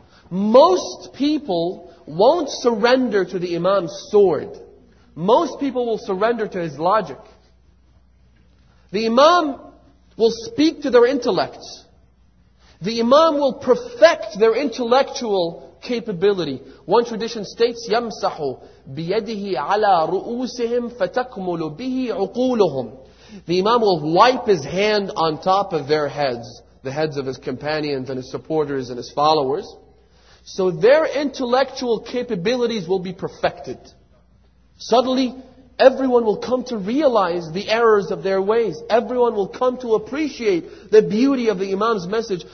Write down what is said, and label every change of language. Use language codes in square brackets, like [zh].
[en] Most people won't surrender to the imam's sword. Most people will surrender to his logic. The imam will speak to their intellects. The imam will perfect their intellectual capability. One tradition states, [ar] يَمْسَحُ بِيَدِهِ عَلَىٰ رُؤُوسِهِمْ فَتَكْمُلُ بِهِ عُقُولُهُمْ. [en] The imam will wipe his hand on top of their heads, the heads of his companions and his supporters and his followers. So their intellectual capabilities will be perfected. Suddenly, Everyone will come to realize the errors of their ways. Everyone will come to appreciate the beauty of the Imam's message.